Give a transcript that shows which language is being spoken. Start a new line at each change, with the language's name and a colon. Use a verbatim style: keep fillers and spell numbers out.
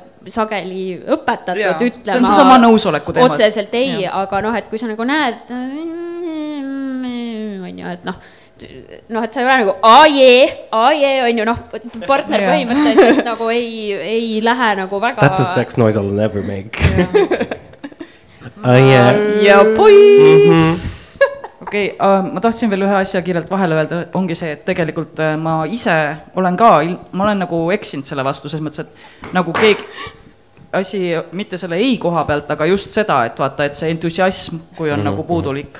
Estonian: sageli õpetatud ja, ütlema. See on see sama nõusoleku teemad. Otseselt ei, ja. Aga noh, et kui sa nagu näed, on ju, et noh, noh, et sa ei ole nagu aajee, aajee, on ju, noh, partner yeah. põhimõtteliselt nagu ei, ei lähe nagu väga...
English: That's a sex noise I'll never make.
Estonian: Aajee. Ja poi! Okei, okay, ma tahtsin veel ühe asja kiirelt vahele öelda, ongi see, et tegelikult ma ise olen ka, ma olen nagu eksinud selle vastu, selles mõttes, et nagu keegi asi, mitte selle ei koha pealt, aga just seda, et vaata, et see entusiasm, kui on mm-hmm. nagu puudulik.